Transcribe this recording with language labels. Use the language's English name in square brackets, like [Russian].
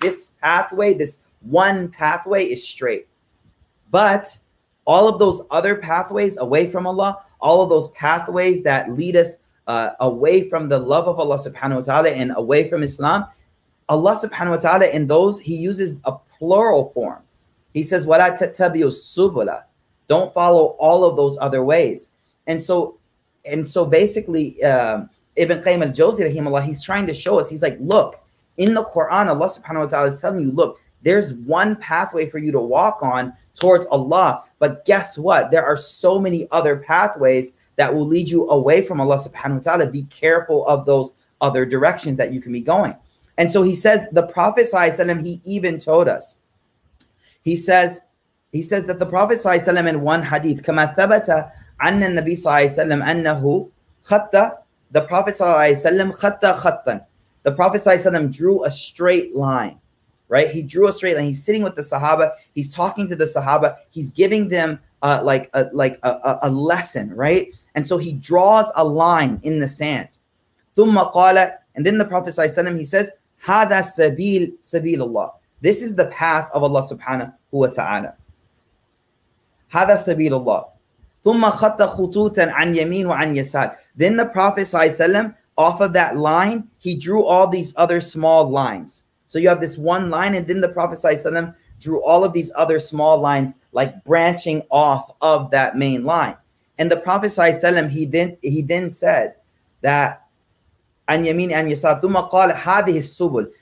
[English] This pathway, this one pathway is straight. But all of those other pathways away from Allah, all of those pathways that lead us away from the love of Allah subhanahu wa ta'ala and away from Islam, Allah subhanahu wa ta'ala in those, he uses a plural form. He says, [Arabic] وَلَا تَتَّبِيُوا السُّبُلَ. [English] Don't follow all of those other ways. And so basically, Ibn Qayyim al-Jawzi, rahimahullah, he's trying to show us, he's like, look, in the Quran, Allah subhanahu wa ta'ala is telling you, look, there's one pathway for you to walk on towards Allah. But guess what? There are so many other pathways that will lead you away from Allah subhanahu wa ta'ala. Be careful of those other directions that you can be going. And so he says, the Prophet sallallahu alaihi wasallam, he even told us, he says that the Prophet sallallahu alaihi wasallam in one hadith, [Arabic] كَمَا ثَبَتَ عَنَّ النَّبِي صَلَّى اللَّهُ عَلَيْهِ وَسَلَّمَ أَنَّهُ خَطَّ. [English] The Prophet sallallahu alaihi wasallam [Arabic] خَطَّ خَطًّا. [English] The Prophet sallallahu alaihi wasallam drew a straight line. Right, he drew a straight line. He's sitting with the Sahaba. He's talking to the Sahaba. He's giving them like a lesson, right? And so he draws a line in the sand. [Arabic] ثم قال, [English] and then the Prophet ﷺ, he says, [Arabic] هذا سبيل سبيل الله. [English] This is the path of Allah subhanahu wa ta'ala. [Arabic] هذا سبيل الله. ثم خط خطوطا عن يمين وعن يسار. [English] Then the Prophet ﷺ, off of that line, he drew all these other small lines. So you have this one line, and then the Prophet ﷺ drew all of these other small lines, like branching off of that main line. And the Prophet ﷺ, he then said that, [Arabic] an yamin an yasar, thumma qal hadhihi subul.